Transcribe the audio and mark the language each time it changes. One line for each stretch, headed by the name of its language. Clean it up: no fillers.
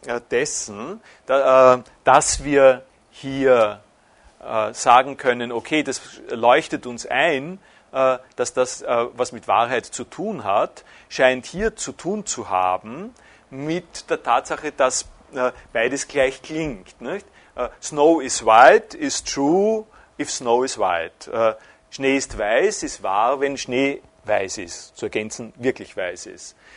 German: dessen, dass wir hier sagen können, okay, das leuchtet uns ein, dass das was mit Wahrheit zu tun hat, scheint hier zu tun zu haben mit der Tatsache, dass beides gleich klingt. Nicht?
English: Snow is white is true if snow is white.
German: Schnee ist weiß, ist wahr, wenn Schnee weiß ist, zu ergänzen, wirklich weiß ist.